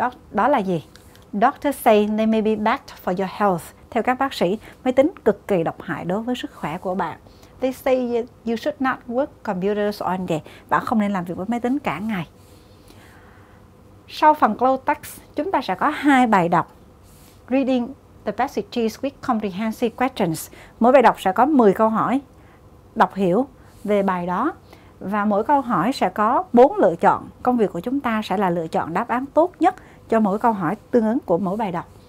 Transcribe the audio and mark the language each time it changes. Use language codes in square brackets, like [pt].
[vi] Đó là gì? [en] Doctor say they may be bad for your health. [vi] Theo các bác sĩ, máy tính cực kỳ độc hại đối với sức khỏe của bạn. [en] They say you should not work computers all day. [vi] Bạn không nên làm việc với máy tính cả ngày. Sau phần close text, chúng ta sẽ có hai bài đọc. [en] Reading the passages with comprehensive questions. [vi] Mỗi bài đọc sẽ có 10 câu hỏi đọc hiểu về bài đó. Và mỗi câu hỏi sẽ có 4 lựa chọn. Công việc của chúng ta sẽ là lựa chọn đáp án tốt nhất cho mỗi câu hỏi tương ứng của mỗi bài đọc.